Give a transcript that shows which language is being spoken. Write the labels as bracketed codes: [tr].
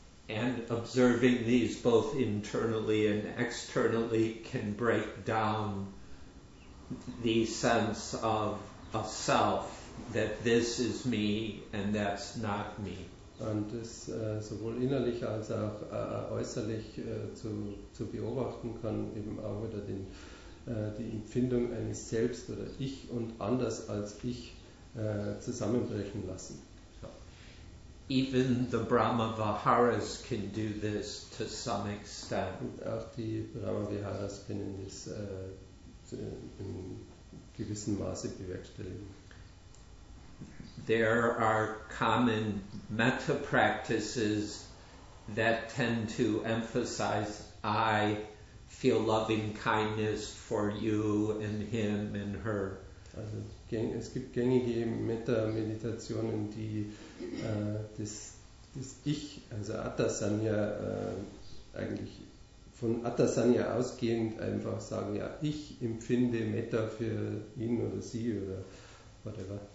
[en] And observing these both internally and externally can break down the sense of a self, that this is me and that's not me. [de] Und das sowohl innerlich als auch äußerlich zu beobachten kann, eben auch wieder den, die Empfindung eines Selbst oder Ich und anders als Ich zusammenbrechen lassen. [en] Even the Brahma Viharas can do this to some extent. [de] Und auch die Brahma Viharas können das in gewissem Maße bewerkstelligen. [en] There are common metta practices that tend to emphasize I feel loving kindness for you and him and her. [de] Also, es gibt gängige Metta-Meditationen, die das Ich, also Atta-Sanya, eigentlich von Atta-Sanya ausgehend einfach sagen, ja, ich empfinde Metta für ihn oder sie oder whatever.